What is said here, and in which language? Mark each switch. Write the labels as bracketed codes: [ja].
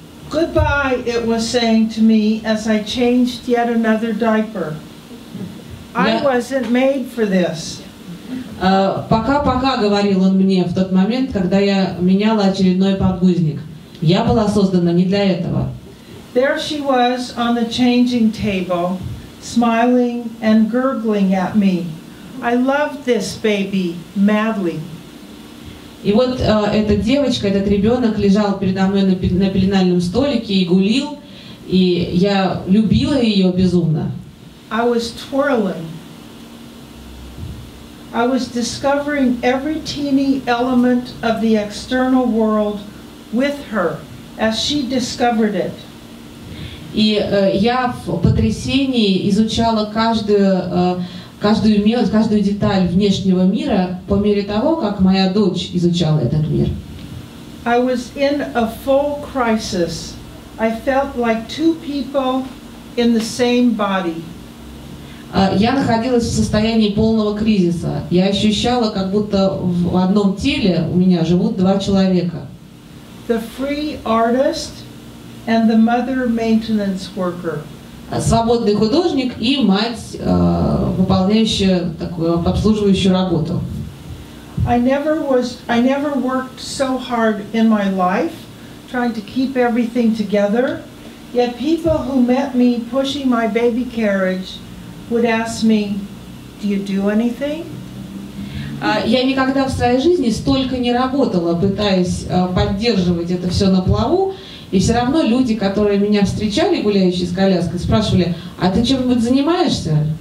[en] Goodbye, it was saying to me as I changed yet another diaper. I wasn't made for this. [ru] Пока-пока, говорил он мне в тот момент, когда я меняла очередной подгузник. Я была создана не для этого. [en] There she was on the changing table, smiling and gurgling at me. I love this baby madly. [ru] И вот эта девочка, этот ребенок лежал передо мной на пеленальном столике и гулил, и я любила ее безумно. [en] I was twirling. I was discovering every teeny element of the external world with her as she discovered it. [ru] И я в потрясении изучала каждую деталь внешнего мира по мере того, как моя дочь изучала этот мир. [en] I was in a full crisis. I felt like two people in the same body. [ru] Я находилась в состоянии полного кризиса. Я ощущала, как будто в одном теле у меня живут два человека. [en] The free artist and the mother maintenance worker. [ru] Свободный художник и мать, выполняющая такую обслуживающую работу. [en] I never worked so hard in my life, trying to keep everything together. Yet people who met me pushing my baby carriage would ask me, "Do you do anything?" [ru] Я никогда в своей жизни столько не работала, пытаясь поддерживать это все на плаву. И все равно люди, которые меня встречали, гуляющие с коляской, спрашивали, а ты чем-нибудь занимаешься?